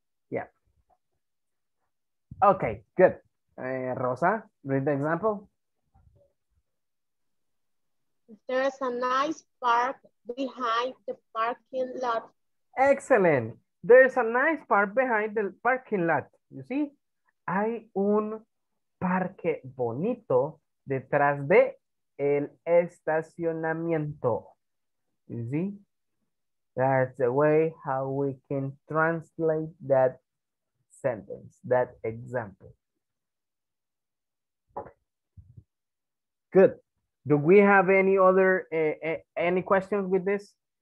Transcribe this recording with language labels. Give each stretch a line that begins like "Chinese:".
English: Yeah. Okay, good. Rosa, read the example. There's a nice park behind the parking lot. Excellent. There's a nice park behind the parking lot. You see?
Spanish: Hay un parque bonito detrás de el estacionamiento.
English: You see? That's the way how we can translate that sentence, that example. Good. Do we have any other, any questions with this?